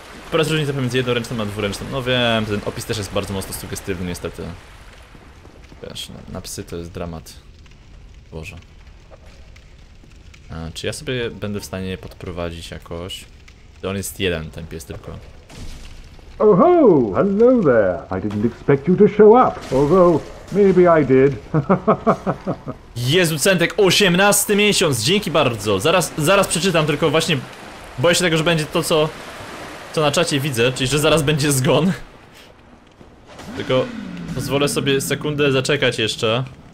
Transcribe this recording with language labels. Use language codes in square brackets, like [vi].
[pl] Po raz różnica pomiędzy jednoręczną a dwuręczną. No wiem, ten opis też jest bardzo mocno sugestywny niestety. Wiesz, na psy to jest dramat. Boże. A, czy ja sobie będę w stanie podprowadzić jakoś? To on jest jeden, ten pies tylko. Oh ho! [en] Hello there! I didn't expect you to show up, although maybe I did. [pl] Jezu, Centek, 18 miesiąc! Dzięki bardzo! Zaraz przeczytam, tylko właśnie boję się tego, że będzie to, co na czacie widzę, czyli że zaraz będzie zgon. Tylko pozwolę sobie sekundę zaczekać jeszcze.